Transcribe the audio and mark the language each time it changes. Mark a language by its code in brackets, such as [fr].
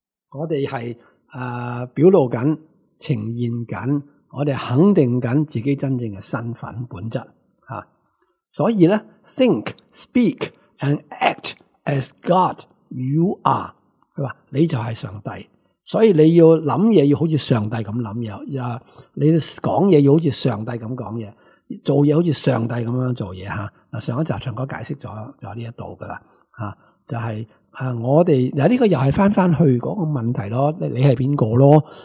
[yue] 我哋系表露緊，呈现緊，我哋肯定緊自己真正嘅身份本质。所以呢 [en] think, speak, and act as God you are. [yue] 佢话你就系上帝。所以你要諗嘢要好似上帝咁諗嘢。你讲嘢要好似上帝咁讲嘢。做嘢好似上帝咁样做嘢。上一集长哥解释咗呢一度㗎啦。就系、是、我哋呢、这个又系返去嗰个问题囉。你系边个囉。